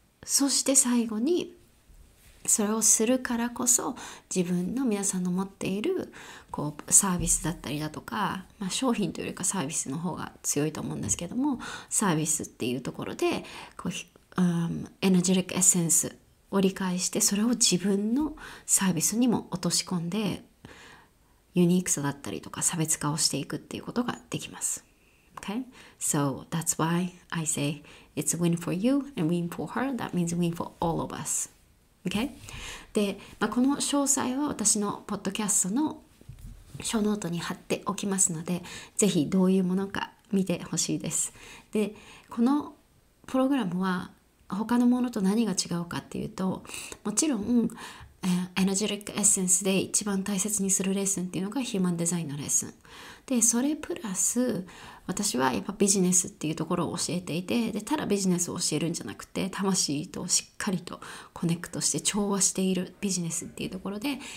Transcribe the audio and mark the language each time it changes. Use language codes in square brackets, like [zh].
[ja] そして最後にそれをするからこそ自分の皆さんの持っているこうサービスだったりだとか、まあ、商品というよりかサービスの方が強いと思うんですけどもサービスっていうところでこう、エナジェリックエッセンスを理解してそれを自分のサービスにも落とし込んでユニークさだったりとか差別化をしていくっていうことができます。 [en] Okay, so that's why I say it's a win for you and win for her. That means win for all of us. Okay? [ja] で、まあ、この詳細は私のポッドキャストのショーノートに貼っておきますのでぜひどういうものか見てほしいです。で、このプログラムは他のものと何が違うかっていうともちろんエナジェリックエッセンスで一番大切にするレッスンっていうのがヒューマンデザインのレッスンで、それプラス私はやっぱビジネスっていうところを教えていて、でただビジネスを教えるんじゃなくて魂としっかりとコネクトして調和しているビジネスっていうところで